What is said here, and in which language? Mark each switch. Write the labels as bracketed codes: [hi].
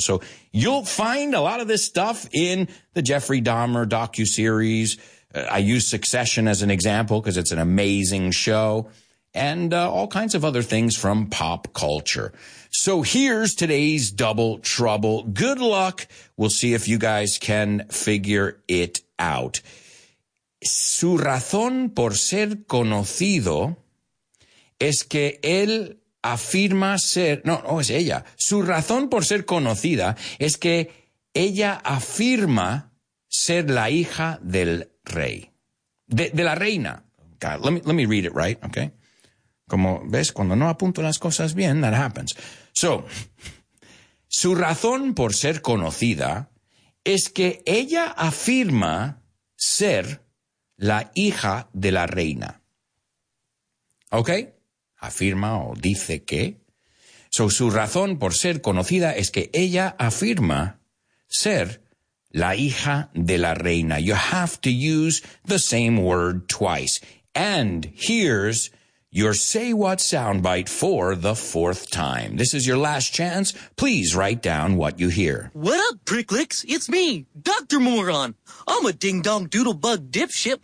[en] So you'll find a lot of this stuff in the Jeffrey Dahmer docuseries. I use Succession as an example because it's an amazing show. And all kinds of other things from pop culture. So here's today's Double Trouble. Good luck. We'll see if you guys can figure it out. [es] Su razón por ser conocido es que él afirma ser... No, es ella. Su razón por ser conocida es que ella afirma ser la hija del rey. De la reina. [en] God, let me read it right, okay? [es] Como ves, cuando no apunto las cosas bien, [en] that happens. [es] So, su razón por ser conocida es que ella afirma ser la hija de la reina. Okay? Afirma o dice que. So, su razón por ser conocida es que ella afirma ser la hija de la reina. [en] You have to use the same word twice. And here's your Say What soundbite for the fourth time. This is your last chance. Please write down what you hear. What up, Pricklicks? It's me, Dr. Moron. I'm a ding-dong doodle-bug dipshit.